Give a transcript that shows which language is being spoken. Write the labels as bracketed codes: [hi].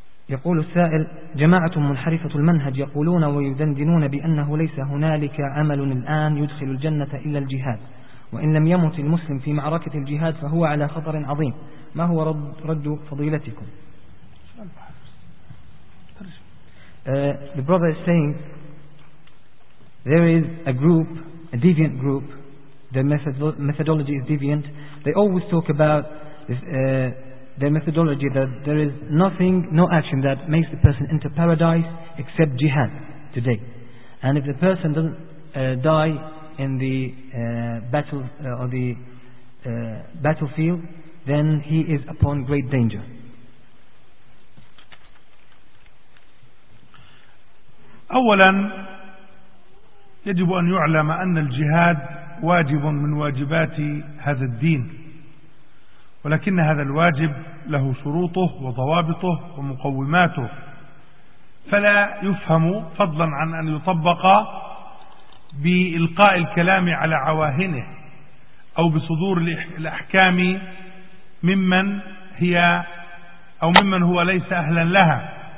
[ar] يقول السائل جماعة منحرفة المنهج يقولون ويذندنون بأنه ليس هنالك عمل الآن يدخل الجنة إلا الجهاد، وإن لم يمت المسلم في معركة الجهاد فهو على خطر عظيم، ما هو رد فضيلتكم؟ [en] The brother is saying there is a group, a deviant group, their methodology is deviant. They always talk about their methodology that there is nothing, no action that makes the person enter paradise except jihad today. And if the person doesn't die in the battle or the battlefield, then he is upon great danger. [ar] أولا يجب أن يعلم أن الجهاد واجب من واجبات هذا الدين، ولكن هذا الواجب له شروطه وضوابطه ومقوماته، فلا يفهم فضلا عن أن يطبق بإلقاء الكلام على عواهنه أو بصدور الأحكام ممن هي أو ممن هو ليس أهلا لها.